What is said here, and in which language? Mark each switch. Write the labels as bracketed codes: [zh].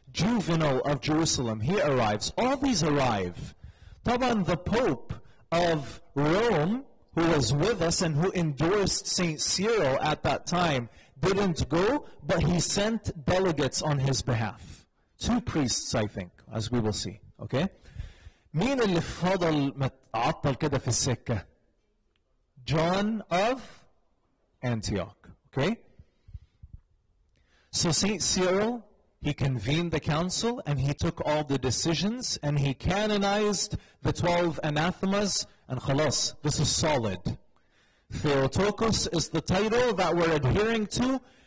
[en] Juvenal of Jerusalem, he arrives. All these arrive. Taban, the Pope of Rome, who was with us and who endorsed St. Cyril at that time, didn't go, but he sent delegates on his behalf. Two priests, I think, as we will see. Okay? [ar] مين اللي فضل متعطل كده في السكة؟ John of Antioch. [en] Okay? So St. Cyril, he convened the council and he took all the decisions and he canonized the 12 anathemas and خلاص, this is solid. Theotokos is the title that we're adhering to.